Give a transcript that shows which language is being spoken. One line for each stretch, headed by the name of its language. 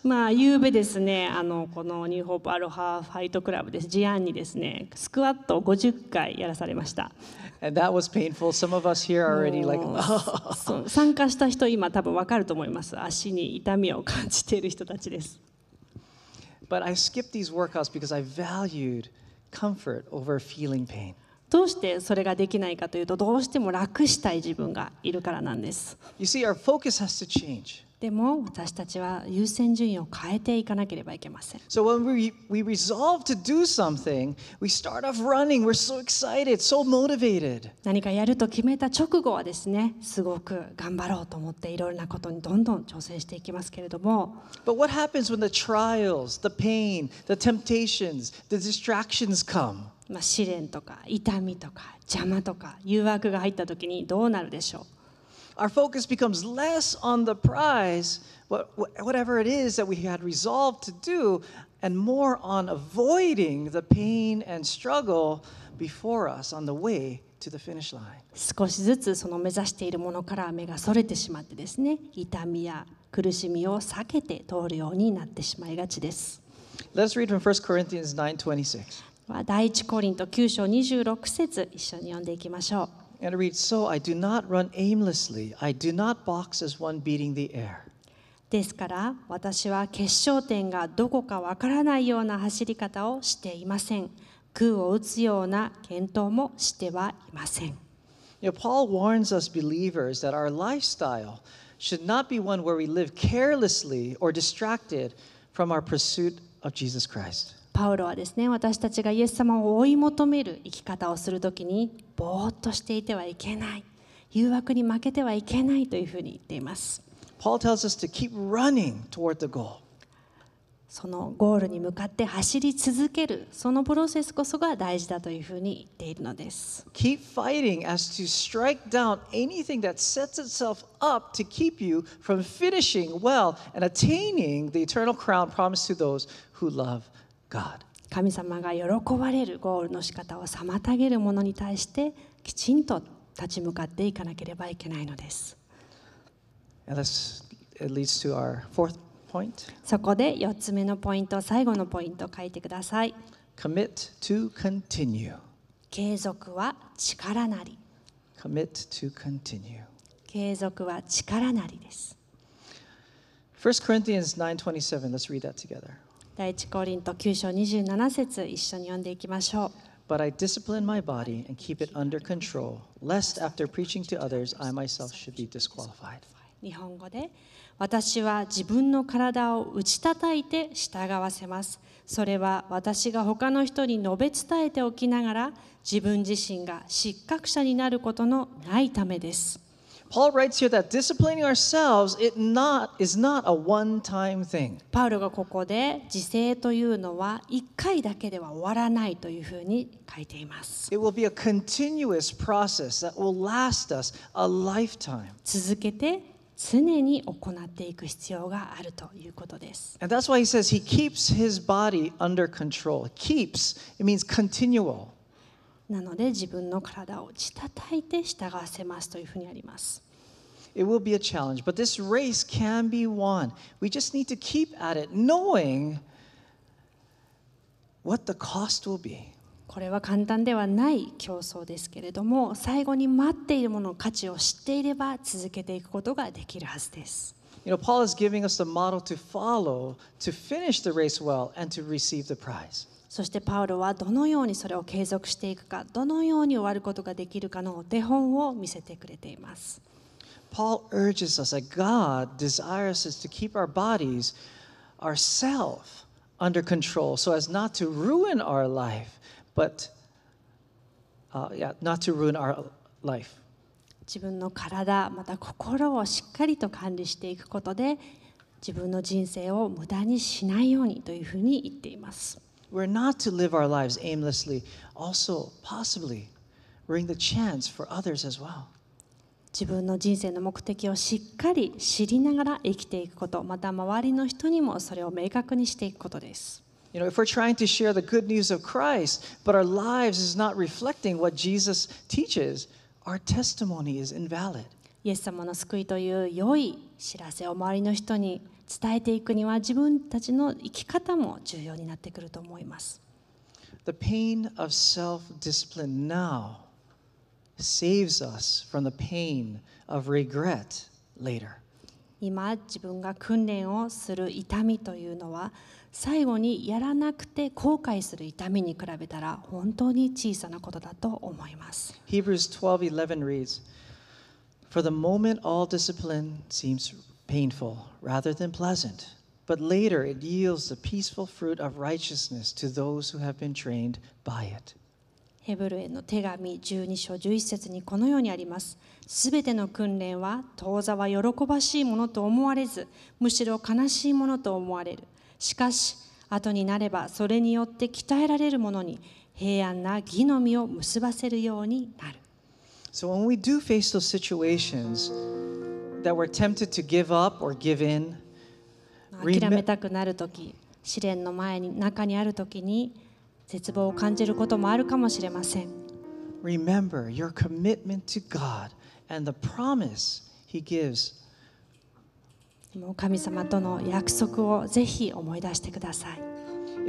Japanese: まあ夕べですね、あのこのニューホープアロハファイトクラブです。ジアンにですね、スクワットを50回やらされました。
English: And that was painful. Some of us here are already like.
Japanese: 参加した人今多分わかると思います。足に痛みを感じている人たちです。
English: But I skipped these workouts because I valued comfort over feeling pain.
Japanese: どうしてそれができないかというと、どうしても楽したい自分がいるからなんです。
English: You see, our focus has to change.
Japanese: でも私たちは優先順位を変えていかなければいけません。
English: So when we resolve to do something, we start off running. We're so excited, so motivated.
Japanese: 何かやると決めた直後はですね、すごく頑張ろうと思っていろいろなことにどんどん挑戦していきますけれども。
English: But what happens when the trials, the pain, the temptations, the distractions come?
Japanese: まあ、試練とか痛みとか邪魔とか誘惑が入った時にどうなるでしょう。
English: Our focus becomes less on the prize, whatever it is that we had resolved to do, and more on avoiding the pain and struggle before us on the way to the finish line.
Japanese: 少しずつその目指しているものから目がそれてしまってですね、痛みや苦しみを避けて通るようになってしまいがちです。
English: Let's read from 1 Corinthians 9:26.
Japanese: 第一コリント9章26節一緒に読んでいきましょう。
English: And it reads, So I do not run aimlessly. I do not box as one beating the air.
Japanese: ですから私は決勝点がどこかわからないような走り方をしていません。空を打つような検討もしてはいません。
English: You know, Paul warns us believers that our lifestyle should not be one where we live carelessly or distracted from our pursuit of Jesus Christ.
Japanese: パウロはですね、私たちがイエス様を追い求める生き方をするときに、ぼーっとしていてはいけない、誘惑に負けてはいけないというふうに言っています。
English: Paul tells us to keep running toward the goal.
Japanese: そのゴールに向かって走り続けるそのプロセスこそが大事だというふうに言っているのです。
English: Keep fighting as to strike down anything that sets itself up to keep you from finishing well and attaining the eternal crown promised to those who love God.
Japanese: 神様が喜ばれるゴールの仕方を妨げるものに対してきちんと立ち向かっていかなければいけないのです。
English: And this leads to our fourth
Japanese: そこで4つ目のポイント、最後のポイントを書いてください。
English: Commit to continue.
Japanese: 継続は力なり。
English: Commit to continue.
Japanese: 継続は力なりです。
English: 1 Corinthians 9:27, let's read that together.
Japanese: 第一コリント9章27節、一緒に読んでいきましょう。
English: But I discipline my body and keep it under control, lest after preaching to others, I myself should be disqualified.
Japanese: 日本語で私は自分の体を打ち叩いて従わせます。それは私が他の人に述べ伝えておきながら、自分自身が失格者になることのないためです。
English: Paul writes here that disciplining ourselves is not a one-time thing.
Japanese: パウロがここで自制というのは一回だけでは終わらないというふうに書いています。
English: It will be a continuous process that will last us a lifetime.
Japanese: 続けて常に行っていく必要があるということです。
English: And that's why he says he keeps his body under control. Keeps, it means continual.
Japanese: なので自分の体を打ち叩いて従わせますというふうにあります。
English: It will be a challenge, but this race can be won. We just need to keep at it, knowing what the cost will be.
Japanese: これは簡単ではない競争ですけれども、最後に待っているものの価値を知っていれば続けていくことができるはずです。
English: You know, Paul is giving us the model to follow to finish the race well and to receive the prize.
Japanese: そしてパウロはどのようにそれを継続していくか、どのように終わることができるかのお手本を見せてくれています。
English: Paul urges us that God desires us to keep our bodies, ourselves, under control so as not to ruin our life. But, not to ruin our life.
Japanese: 自分の体また心をしっかりと管理していくことで自分の人生を無駄にしないようにというふうに言っています。
English: We're not to live our lives aimlessly. Also, possibly, ring the chance for others as well.
Japanese: 自分の人生の目的をしっかり知りながら生きていくこと、また周りの人にもそれを明確にしていくことです。
English: You know, if we're trying to share the good news of Christ, but our lives is not reflecting what Jesus teaches, our testimony is invalid.
Japanese: イエス様の救いという良い知らせを周りの人に伝えていくには、自分たちの生き方も重要になってくると思います。
English: The pain of self-discipline now saves us from the pain of regret later.
Japanese: 今自分が訓練をする痛みというのは最後にやらなくて後悔する痛みに比べたら本当に小さなことだと思います。
English: Hebrews 12:11 reads For the moment all discipline seems painful rather than pleasant but later it yields the peaceful fruit of righteousness to those who have been trained by it
Japanese: ヘブルへの手紙12章11節にこのようにあります。すべての訓練は当座は喜ばしいものと思われず、むしろ悲しいものと思われる。しかし、後になればそれによって鍛えられるものに平安な義の実を結ばせるようになる。
English: So when we do face those situations that we're tempted to give up or give in,
Japanese: 諦めたくなるとき、試練の前に中にあるときに絶望を感じることもあるかもしれません。
English: Remember your commitment to God. And the promise he gives.
Japanese: もう神様との約束をぜひ思い出してください。